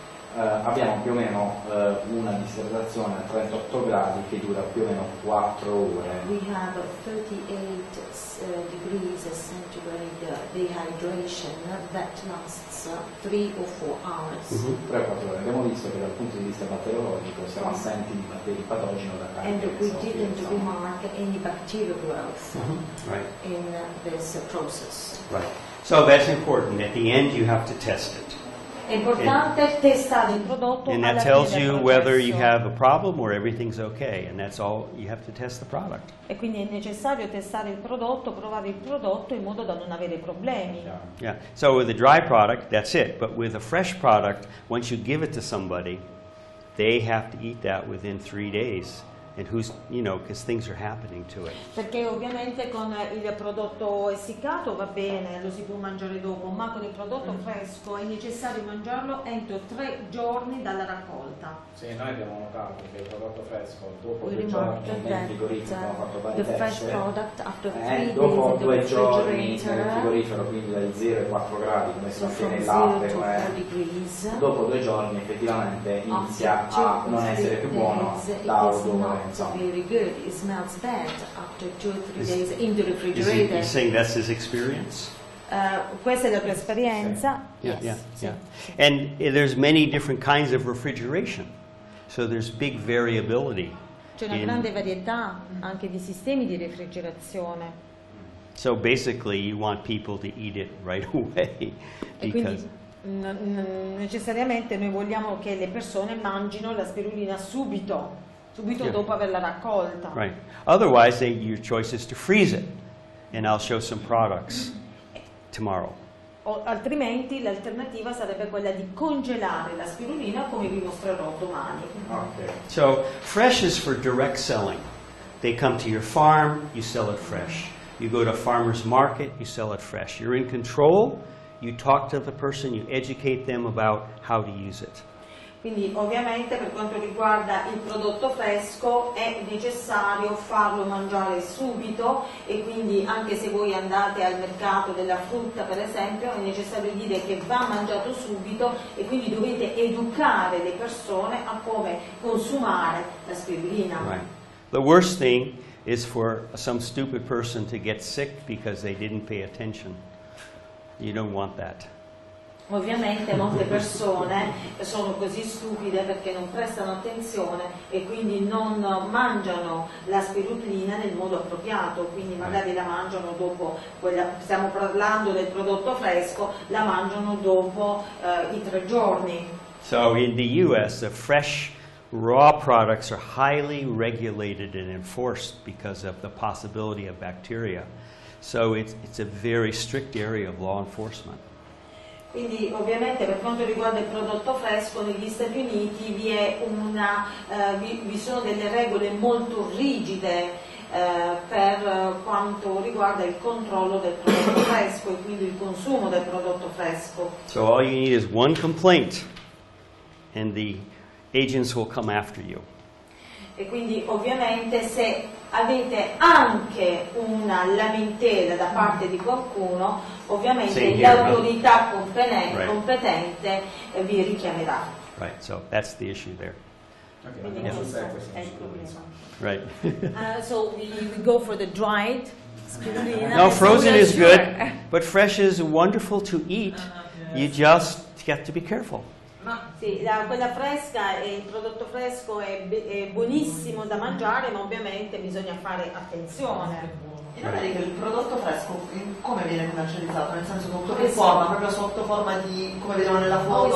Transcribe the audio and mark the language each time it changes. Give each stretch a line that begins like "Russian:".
Italian: abbiamo più o meno una disidratazione a 38 gradi che dura più o meno 4 ore.
English: We have 38 degrees centigrade dehydration that lasts 3 or 4 hours.
Italian: 3-4 ore. Abbiamo visto che dal punto di vista batteriologico siamo assenti di batteri patogeni da carne.
English: And we didn't remark any bacterial growth in this process. Right. So that's important. At the end you have to test it.
Italian: È importante testare il prodotto.
English: And that tells you whether you have a problem or everything's okay, and that's all. You have to test the product.
Italian: E quindi è necessario testare il prodotto, provare il prodotto in modo da non avere problemi.
English: Yeah. So with a dry product, that's it. But with a fresh product, once you give it to somebody, they have to eat that within 3 days. And who's, you know, because things are happening to it.
Italian: Perché ovviamente con il prodotto essiccato va bene, lo si può mangiare dopo, ma con il prodotto fresco è necessario mangiarlo entro 3 giorni dalla raccolta. Sì, noi abbiamo notato che il prodotto fresco dopo 2 giorni nel frigorifero, abbiamo vari test, dopo 2 giorni nel frigorifero, quindi dai 0 ai 4 gradi, come si fa nel latte, dopo 2 giorni effettivamente inizia a non essere più buono l'odore.
English: Very good. It smells bad after 2 or 3 days in the refrigerator. Is he saying that's his experience?
Italian: Questa è la tua esperienza?
English: Yes. Yeah. And there's many different kinds of refrigeration, so there's big variability.
Italian: C'è una grande varietà anche di sistemi di refrigerazione.
English: So basically, you want people to eat it right away because.
Italian: Necessariamente noi vogliamo che le persone mangino la spirulina subito. Subito dopo averla raccolta.
English: Right. Otherwise, your choice is to freeze it, and I'll show some products tomorrow.
Italian: Altrimenti l'alternativa sarebbe quella di congelare la spirulina, come vi mostrerò domani.
English: Okay. So fresh is for direct selling. They come to your farm, you sell it fresh. You go to a farmer's market, you sell it fresh. You're in control. You talk to the person, you educate them about how to use it.
Italian: Quindi ovviamente per quanto riguarda il prodotto fresco è necessario farlo mangiare subito, e quindi anche se voi andate al mercato della frutta per esempio è necessario dire che va mangiato subito, e quindi dovete educare le persone a come consumare la spirulina.
English: Right. The worst thing is for some stupid person to get sick because they didn't pay attention. You don't want that.
Italian: Ovviamente molte persone sono così stupide perché non prestano attenzione e quindi non mangiano la spirulina nel modo appropriato, quindi magari la mangiano dopo quella, stiamo parlando del prodotto fresco, la mangiano dopo i 3 giorni.
English: So in the US the fresh raw products are highly regulated and enforced because of the possibility of bacteria. So it's a very strict area of law enforcement.
Italian: Quindi ovviamente per quanto riguarda il prodotto fresco negli Stati Uniti vi è una vi sono delle regole molto rigide per quanto riguarda il controllo del prodotto fresco e quindi il consumo del prodotto fresco.
English: So all you need is one complaint and the agents will come after you.
Italian: E quindi ovviamente se avete anche una lamentela da parte di qualcuno, ovviamente l'autorità competente vi richiamerà.
English: Right, so that's the issue there. Okay, yeah. Right. So we go for the dried spirulina. No, frozen is good, but fresh is wonderful to eat. You just have to be careful.
Italian: Ma Sì, la, quella fresca, e il prodotto fresco è buonissimo da mangiare, ma ovviamente bisogna fare attenzione. In America il prodotto fresco come viene commercializzato? Nel senso sotto che forma? Proprio sotto forma di, come vedono nella foto?